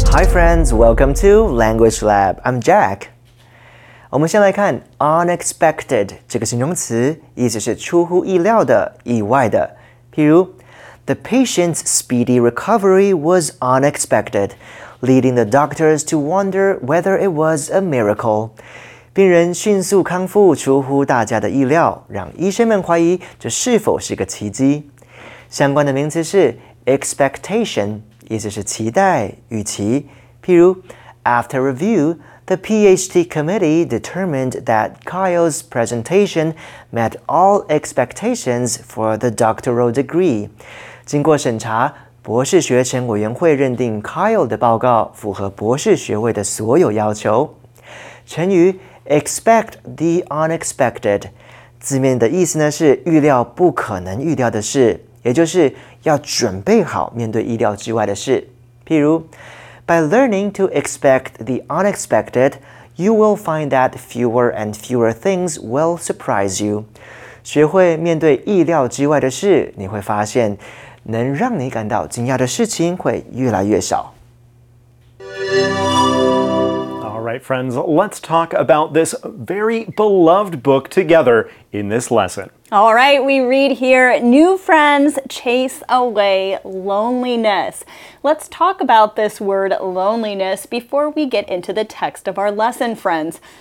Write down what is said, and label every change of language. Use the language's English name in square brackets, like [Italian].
[English] Friends, welcome to Language Lab. I'm Jack. [Chinese] 我们先来看 unexpected 这个形容词，意思是出乎意料的、意外的。 [English] 譬如 ，The patient's speedy recovery was unexpected, leading the doctors to wonder whether it was a miracle. [Chinese] 病人迅速康复出乎大家的意料，让医生们怀疑这是否是个奇迹。相关的名词是 expectation， 意思是期待、预期。 [English] 譬如 ，After review, the PhD committee determined that Kyle's presentation met all expectations for the doctoral degree. [Chinese] 经过审查，博士学程委员会认定 Kyle 的报告符合博士学位的所有要求。成语 expect the unexpected， 字面的意思呢是预料不可能预料的事，也就是要准备好面对意料之外的事。譬如。 [English] By learning to expect the unexpected, you will find that fewer and fewer things will surprise you. [Chinese] 学会面对意料之外的事，你会发现能让你感到惊讶的事情会越来越少。 [English] All right, friends, let's talk about this very beloved book together in this lesson. All right, we read here, new friends chase away loneliness. Let's talk about this word loneliness before we get into the text of our lesson, friends.